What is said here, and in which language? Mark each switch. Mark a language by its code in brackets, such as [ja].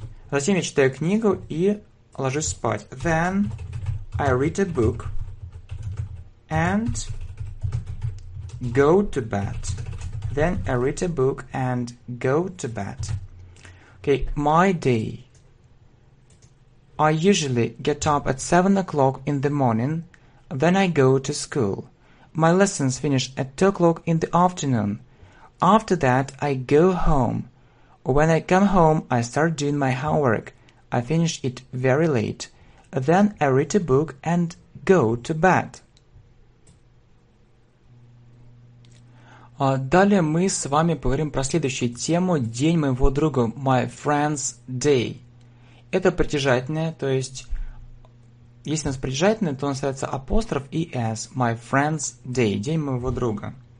[ru] Затем я читаю книгу и ложусь спать. [en] Then I read a book and go to bed. Then I read a book and go to bed. Okay, my day. I usually get up at 7 o'clock in the morning, then I go to school. My lessons finish at 2 o'clock in the afternoon. After that, I go home. When I come home, I start doing my homework. I finish it very late. Then I read a book and go to bed. [ru] Далее мы с вами поговорим про следующую тему – день моего друга, [en] my friend's day. [ru] Это притяжательное, то есть, если у нас притяжательное, то он ставится апостроф и s, [en] my friend's day, [ru] день моего друга.